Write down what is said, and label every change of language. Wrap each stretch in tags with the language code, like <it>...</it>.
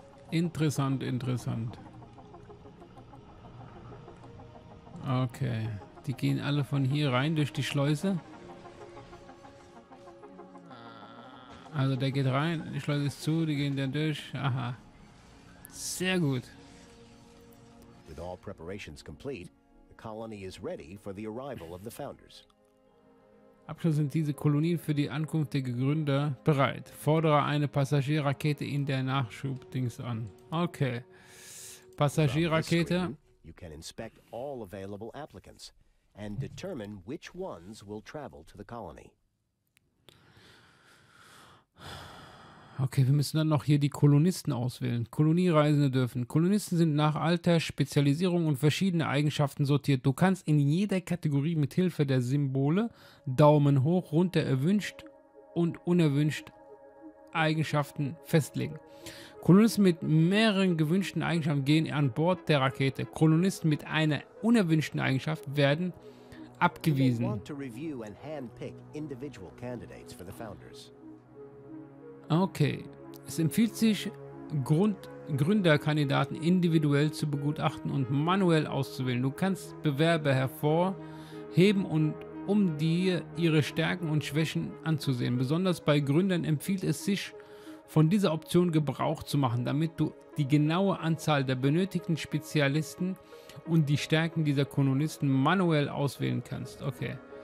<de>Interessant. Okay, die gehen alle von hier rein durch die Schleuse. Also der geht rein, die Schleuse ist zu, die gehen dann durch. Aha, sehr gut.</de> <en>With all preparations complete, the colony is ready for the arrival of the founders.</en> <de>Abschluss sind diese Kolonien für die Ankunft der Gründer bereit. Fordere eine Passagierrakete in der Nachschubdings an. Okay. Passagierrakete.</de> <en>You can inspect all available applicants and determine which ones will travel to the colony.</en> <de>Okay, wir müssen dann noch hier die Kolonisten auswählen. Koloniereisende dürfen. Kolonisten sind nach Alter, Spezialisierung und verschiedenen Eigenschaften sortiert. Du kannst in jeder Kategorie mit Hilfe der Symbole Daumen hoch, runter erwünscht und unerwünscht Eigenschaften festlegen. Kolonisten mit mehreren gewünschten Eigenschaften gehen an Bord der Rakete. Kolonisten mit einer unerwünschten Eigenschaft werden abgewiesen.</de> <en>Want to review and handpick individual candidates for the founders.</en> <de>Okay, es empfiehlt sich, Gründerkandidaten individuell zu begutachten und manuell auszuwählen. Du kannst Bewerber hervorheben, und um dir ihre Stärken und Schwächen anzusehen. Besonders bei Gründern empfiehlt es sich, von dieser Option Gebrauch zu machen, damit du die genaue Anzahl der benötigten Spezialisten und die Stärken dieser Kolonisten manuell auswählen kannst. Okay.</de>